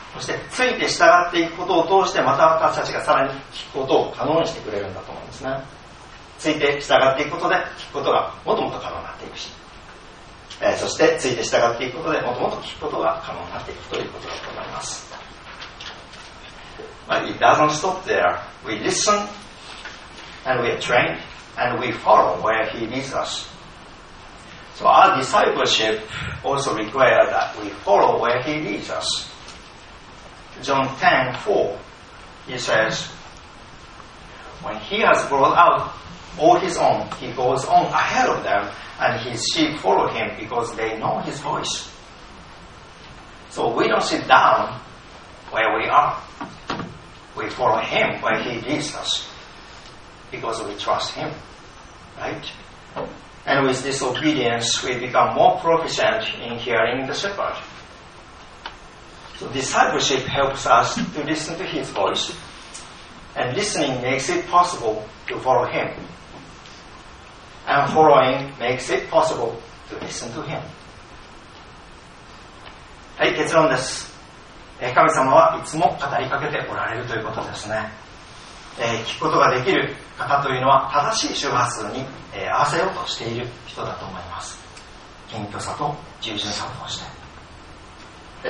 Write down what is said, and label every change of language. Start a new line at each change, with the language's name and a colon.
Japanese: そしてついて従っていくことを通して、また私たちがさらに聞くことを可能にしてくれるんだと思うんですね。ついて従っていくことで聞くことがもっともっと可能になっていくし、そしてついて従っていくことでもっともっと聞くことが可能になっていくということだと思います。
English: But it doesn't stop there. We listen, and we are trained, and we follow where he leads us. So our discipleship also requires that we follow where he leads us. John 10:4, he says, When he has brought out all his own, he goes on ahead of them, and his sheep follow him because they know his voice. So we don't sit down where we are. We follow him where he leads us because we trust him, right? And with this obedience, we become more proficient in hearing the shepherd. So discipleship helps us to listen to his voice, and listening makes it possible to follow him. And following makes it possible to listen to him.
Japanese: はい、結論です。神様はいつも語りかけておられるということですね。聞くことができる方というのは正しい周波数に、合わせようとしている人だと思います。謙虚さと従順さを通して。